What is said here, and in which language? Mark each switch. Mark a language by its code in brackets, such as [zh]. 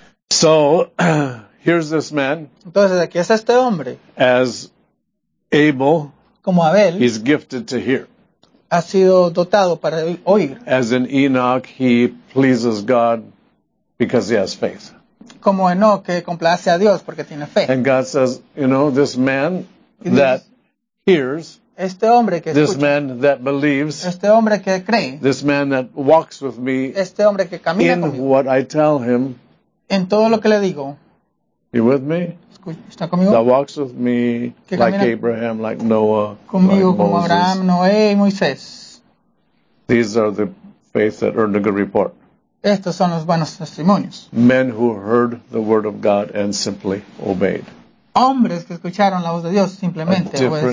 [en] So, here's this man. [es] Entonces, aquí es este hombre. [en] As Abel. [es] Como Abel. [en] He's gifted to hear. [es] Ha sido dotado para oír. [en] As in Enoch, he pleases God because he has faith. [es] Como Enoch, que complace a Dios porque tiene fe. [en] And God says, you know, this man that hears, [es] este hombre que [en] this [es] escucha, [en] man that believes, [es] este hombre que cree, [en] this man that walks with me, [es] este hombre que camina [en] in [es] conmigo, [en] what I tell him, [es] en todo lo que le digo, [en] you with me? [es] ¿Está conmigo? [en] That walks with me like Abraham, like Noah, [es] conmigo, [en] like Moses. [es] Como Abraham, Noé y Moisés. [en] These are the faith that earned a good report. [es] Estos son los buenos testimonios. [en] Men who heard the word of God and simply obeyed. [es] Hombres que escucharon la voz de Dios simplemente obedecieron.